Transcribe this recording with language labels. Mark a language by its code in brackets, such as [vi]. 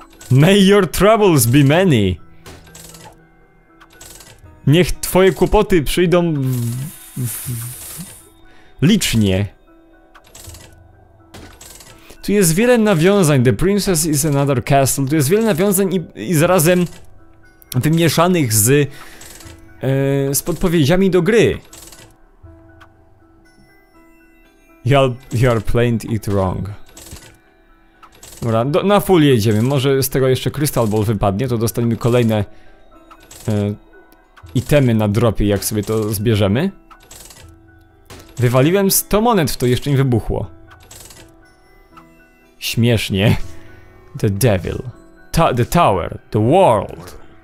[en] May your troubles be many. [pl] Niech twoje kłopoty przyjdą licznie. Tu jest wiele nawiązań, [en] The Princess is another castle. [pl] Tu jest wiele nawiązań i zarazem wymieszanych z podpowiedziami do gry. [en] You are playing it wrong. [pl] Dobra, na full jedziemy, może z tego jeszcze Crystal Ball wypadnie, to dostaniemy kolejne itemy na dropie, jak sobie to zbierzemy. Wywaliłem 100 monet, to jeszcze nie wybuchło. Śmiesznie. [en] The Devil. The Tower. The World.